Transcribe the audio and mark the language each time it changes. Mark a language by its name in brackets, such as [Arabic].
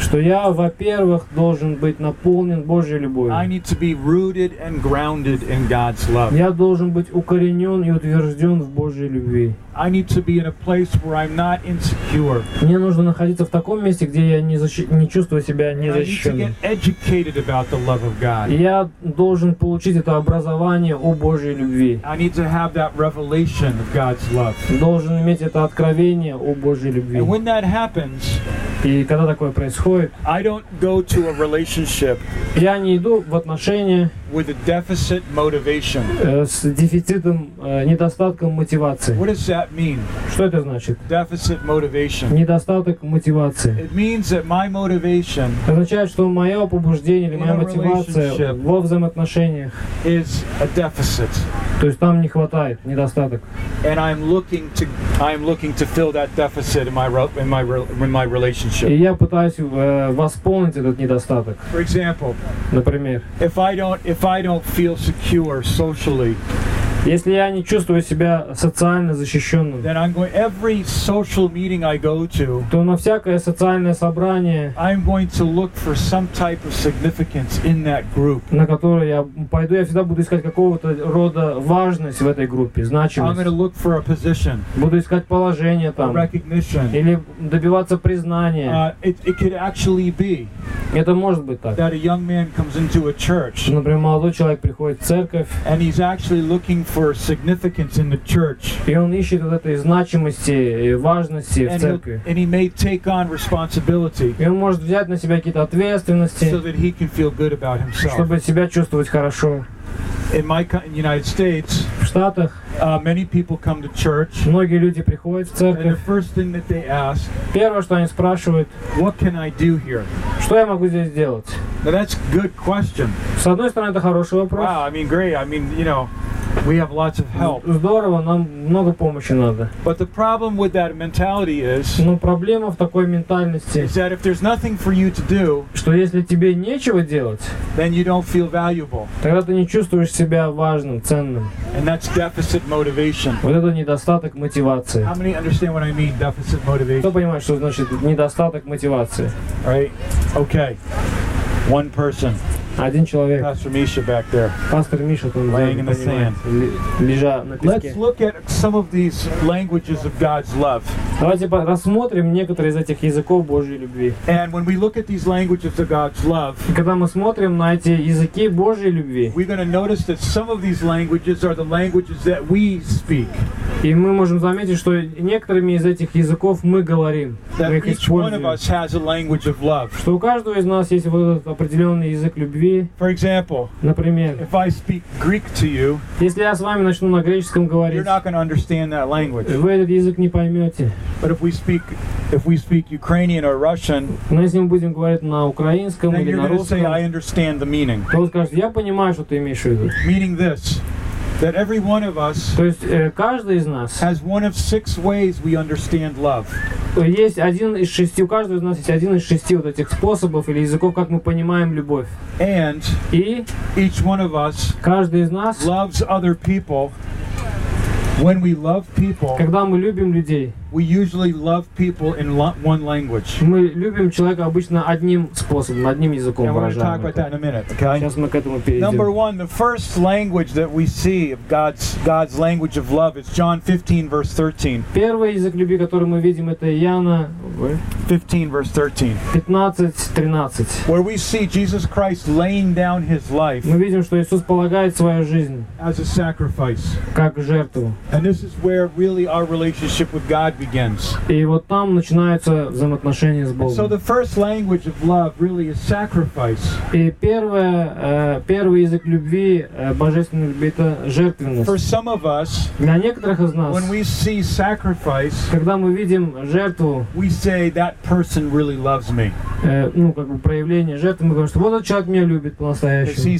[Russian] Что я, во-первых, должен быть наполнен Божьей любовью. [English] I need to be rooted and grounded in God's love. [Russian] Я должен быть укоренен и утвержден в Божьей любви. [English] I need to be in a place where I'm not insecure. [Russian] Мне нужно находиться в таком месте, где я не чувствую себя незащищенным. [English] I need to get educated about the love of God. [Russian] Я должен получить это образование о Божьей любви. [English] I need to have that revelation of God's love. [Russian] Должен иметь это откровение о Божьей любви. [English] And when that happens, [Russian] и когда такое происходит, [English] I don't go to a relationship. [Russian] Я не иду в отношения [English] with a deficit motivation. [Russian] С дефицитом, недостатком мотивации. [English] What does that mean? [Russian] Что это значит? [English] Deficit motivation. [Russian] Недостаток мотивации. [English] It means that my motivation. [Russian] Означает, что мое побуждение или моя мотивация во взаимоотношениях [English] is a deficit. [Russian] То есть там не хватает, недостаток. [English] And I'm looking to fill that deficit in my relationship. [Russian] И я пытаюсь восполнить этот недостаток. [English] For example, [Russian] например, [English] if I don't feel secure socially, [Russian] если я не чувствую себя социально защищенным, [English] then I'm going, every social meeting I go to, [Russian] то на всякое социальное собрание, [English] I'm going to look for some type of significance in that group. [Russian] На которое я пойду, я всегда буду искать какого-то рода важность в этой группе, значимость. [English] I'm going to look for a position. [Russian] Буду искать положение там. [English] A recognition. [Russian] Или добиваться признания. [English] It could actually be. [Russian] Это может быть так. [English] That a young man comes into a church. [Russian] Например, молодой человек приходит в церковь. [English] And he's actually looking for significance in the church. [Russian] И он ищет вот этой значимости и важности в церкви. [English] And he may take on responsibility. [Russian] И он может взять на себя какие-то ответственности. [English] So that he can feel good about himself. [Russian] Чтобы себя чувствовать хорошо. [English] In United States, [Russian] в Штатах, [English] many people come to church. [Russian] Многие люди приходят в церковь. [English] And the first thing that they ask, [Russian] первое, что они спрашивают, [English] what can I do here? [Russian] Что я могу здесь сделать? [English] Now that's a good question. [Russian] С одной стороны, это хороший вопрос. [English] Wow, I mean, great. I mean, you know, we have lots of help. [Russian] Здорово, нам много помощи надо. [English] But the problem with that mentality is, [Russian] но проблема в такой ментальности, [English] is that if there's nothing for you to do, [Russian] что если тебе нечего делать, [English] then you don't feel valuable. [Russian] Тогда ты не чувствуешь себя важным, ценным. [English] And that's deficit motivation. [Russian] Вот это недостаток мотивации. [English] How many understand what I mean, deficit motivation? [Russian] Кто понимает, что значит недостаток мотивации? [English] Right? Okay. One person. [Russian] Один человек. [English] Pastor Misha back there. [Russian] Пастор Миша там. [English] Laying in the sand. [Russian] Лежа на песке. [English] Let's look at some of these languages of God's love. [Russian] Давайте рассмотрим некоторые из этих языков Божьей любви. [English] And when we look at these languages of God's love, [Russian] когда мы смотрим на эти языки Божьей любви, [English] we're going to notice that some of these languages are the languages that we speak. [Russian] И мы можем заметить, что некоторыми из этих языков мы говорим. [English] That each one of us has a language of love. [Russian] Что у каждого из нас есть вот этот определенный язык любви. [English] For example, [Russian] например, [English] if I speak Greek to you, [Russian] если я с вами начну на греческом говорить, [English] you're not going to understand that language. [Russian] Вы этот язык не поймете. [English] But if we speak Ukrainian or Russian, [Russian] но если мы будем говорить на украинском или на русском, [English] say, I understand the meaning. [Russian] То он скажет, я понимаю, что ты имеешь в виду. [English] Meaning this. That every one of us has one of six ways we understand love. [Russian] Есть один из шести, у каждого из нас есть один из шести вот этих способов или языков, как мы понимаем любовь. [English] And [Russian] и [English] each one of us [Russian] каждый из нас [English] loves other people. When we love people, [Russian] когда мы любим людей, [English] we usually love people in one language. [Russian] Мы любим человека обычно одним способом, одним языком выражаем. [English] We'll talk about that in a minute. Okay? [Russian] Сейчас мы к этому перейдем. [English] Number one, the first language that we see of God's language of love is John 15 verse 13. [Russian] Первый язык любви, который мы видим, это Иоанна 15:13. [English] Where we see Jesus Christ laying down his life. [Russian] Мы видим, что Иисус полагает свою жизнь [English] as a sacrifice. [Russian] Как жертву. [English] And this is where really our relationship with God begins. [Russian] И вот там начинается взаимоотношение с Богом. [English] So the first language of love really is sacrifice. [Russian] И первый язык любви, божественной любви, это жертвенность. [English] For some of us, [Russian] для некоторых из нас, [English] when we see sacrifice, [Russian] когда мы видим жертву, [English] we say that person really loves me. [Russian] Ну, как бы проявление жертвы, мы говорим, что вот этот человек меня любит по-настоящему.